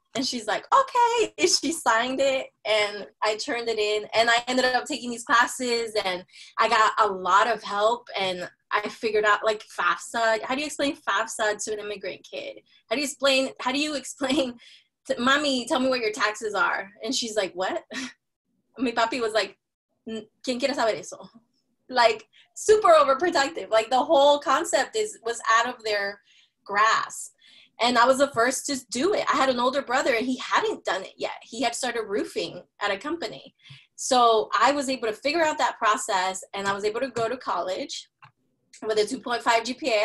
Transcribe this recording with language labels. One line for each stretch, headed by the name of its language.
English: And she's like, okay. And she signed it and I turned it in and I ended up taking these classes and I got a lot of help and I figured out like FAFSA. How do you explain FAFSA to an immigrant kid? How do you explain to mommy, tell me what your taxes are? And she's like, what?
Spanish: Mi papi
English: was like,
Spanish: ¿quién quiere saber eso?
English: Like super overprotective. Like the whole concept was out of their grasp. And I was the first to do it. I had an older brother and he hadn't done it yet. He had started roofing at a company. So I was able to figure out that process and I was able to go to college with a 2.5 GPA.